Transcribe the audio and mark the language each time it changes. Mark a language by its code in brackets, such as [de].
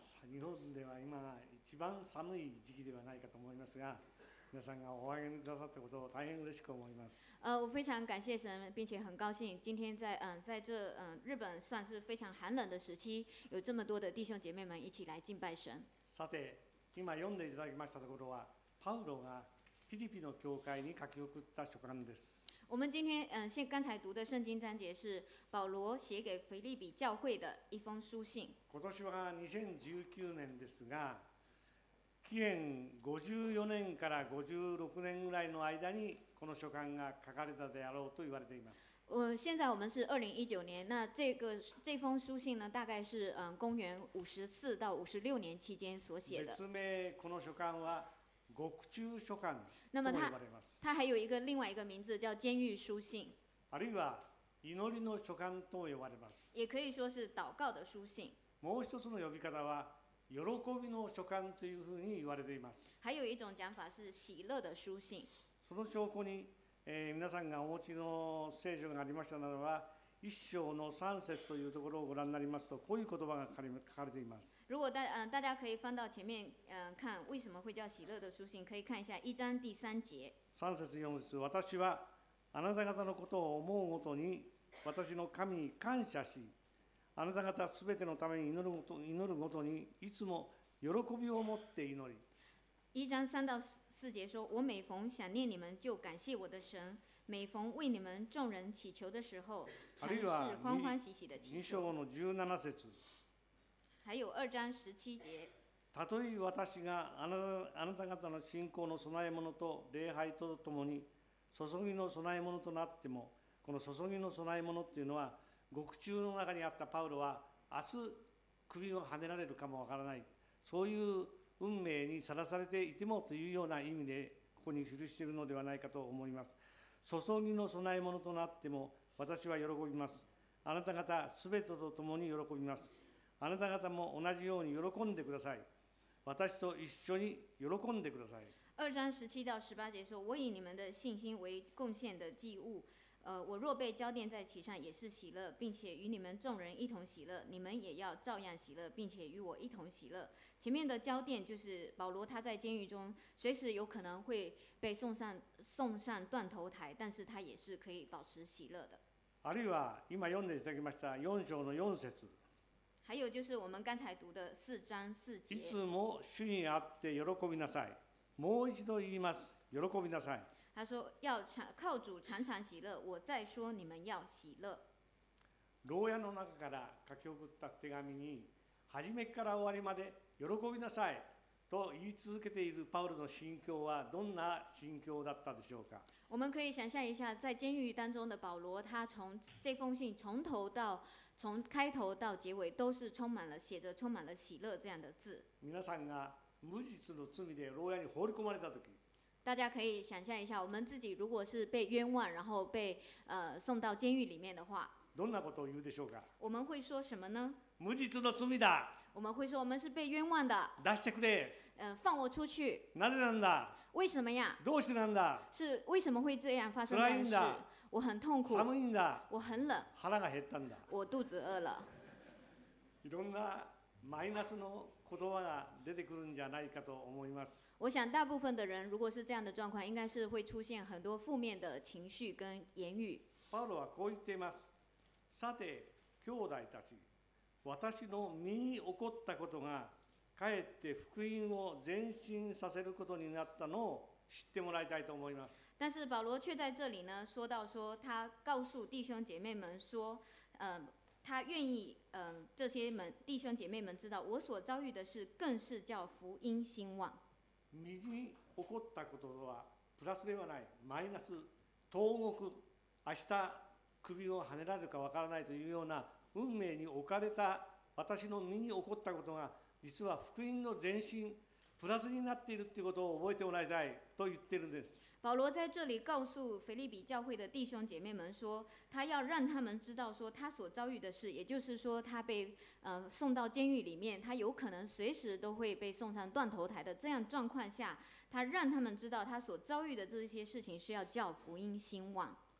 [ja] 日本では今一番寒い時期ではないかと思いますが、皆さんがお会いくださったことを大変嬉しく思います。 [zh] 我非常感谢神，并且很高兴今天在在这日本算是非常寒冷的时期，有这么多的弟兄姐妹们一起来敬拜神。 [ja] さて今読んでいただきましたところは、パウロがフィリピの教会に書き送った書簡です。 [zh] 我们今天刚才读的圣经章节是保罗写给腓立比教会的一封书信。 [ja] 今年は2019年ですが、紀元54年から56年ぐらいの間にこの書簡が書かれたであろうと言われています。 [zh] 现在我们是2019年，那这封书信呢大概是公元54到56年期间所写的。 [ja] 別名この書簡は獄中書簡と呼ばれます。 [zh] 它还有一个另外一个名字叫监狱书信， [ja] あるいは祈りの書簡と呼ばれます。 [zh] 也可以说是祷告的书信。 [ja] もう一つの呼び方は喜びの書簡というふうに言われています。 [zh] 还有一种讲法是喜乐的书信。 [ja] その証拠に、皆さんがお持ちの聖書がありましたならば、一章の三節というところをご覧になりますと、こういう言葉が書かれています。 [zh] 如果 大家可以翻到前面看为什么会叫喜乐的书信，可以看一下一章第三节。 [ja] 三節四節、私はあなた方のことを思うごとに私の神に感謝し、あなた方すべてのために祈るごとにいつも喜びを持って祈り。 [zh] 一章三到四节说，我每逢想念你们就感谢我的神，每逢为你们众人祈求的时候，常是欢欢喜喜的祈求。 [ja] 二章の十七節。 [zh] 还有二章十七节。 [ja] たとえ私があなた方の信仰の供え物と礼拝とともに注ぎの供え物となっても、この注ぎの供え物っていうのは獄中の中にあったパウロは明日首をはねられるかもわからない。そういう運命にさらされていてもというような意味でここに記しているのではないかと思います。注ぎの供え物となっても私は喜びます。あなた方すべてとともに喜びます。あなた方も同じように喜んでください。私と一緒に喜んでください。 [zh] 二章十七到十八节说，我以你们的信心为贡献的祭物，我若被交奠在其上也是喜乐，并且与你们众人一同喜乐，你们也要照样喜乐，并且与我一同喜乐。前面的交奠就是保罗他在监狱中随时有可能会被送上断头台，但是他也是可以保持喜乐的。 [ja] あるいは今読んでいただきました四章の四節。 [zh] 还有就是我们刚才读的四章四节。 [ja] いつも主にあって喜びなさい。もう一度言います。喜びなさい。 [zh] 他说要靠主常常喜乐，我再说你们要喜乐。 [ja] 牢屋の中から書き送った手紙に、初めから終わりまで喜びなさいと言い続けているパウロの心境はどんな心境だったでしょうか。 [zh] 我们可以想象一下，在监狱当中的保罗，他从这封信从开头到结尾都是充满了喜乐这样的字。 [ja] 皆さんが無実の罪で牢屋に放り込まれた時。 [zh] 大家可以想象一下，我们自己如果是被冤枉，然后被送到监狱里面的话， [ja] どんなことを言うでしょうか。 [zh] 我们会说什么呢？ [ja] 無実の罪だ。 [zh] 我们会说我们是被冤枉的。 [ja] 出してくれ。 [zh] 放我出去。 [ja] なぜなんだ。 [zh] 为什么呀？ [ja] どうしてなんだ。 [zh] 是为什么会这样发生这样的事？ [ja] 辛いんだ。 [zh] 我很痛苦。 [ja] 寒いんだ。 [zh] 我很冷。 [ja] 腹が減ったんだ。 [zh] 我肚子饿了。 [ja] いろんなマイナスの言葉が出てくるんじゃないかと思います。 [zh] 我想大部分的人如果是这样的状况，应该是会出现很多负面的情绪跟言语。 [ja] パウロはこう言っています。さて兄弟たち、私の身に起こったことがかえって福音を前進させることになったのを知ってもらいたいと思います。 [zh] 但是保罗却在这里呢说到说，他告诉弟兄姐妹们说他愿意这些们弟兄姐妹们知道我所遭遇的事更是叫福音兴旺。 [ja] 身に起こったこととはプラスではない、マイナス、投獄、明日首をはねられるかわからないというような運命に置かれた私の身に起こったことが実は福音の前進、プラスになっているということを覚えてもらいたいと言ってるんです。 [zh] 保罗在这里告诉腓立比教会的弟兄姐妹们说，他要让他们知道说他所遭遇的事，也就是说他被送到监狱里面，他有可能随时都会被送上断头台的这样状况下，他让他们知道他所遭遇的这些事情是要叫福音兴旺。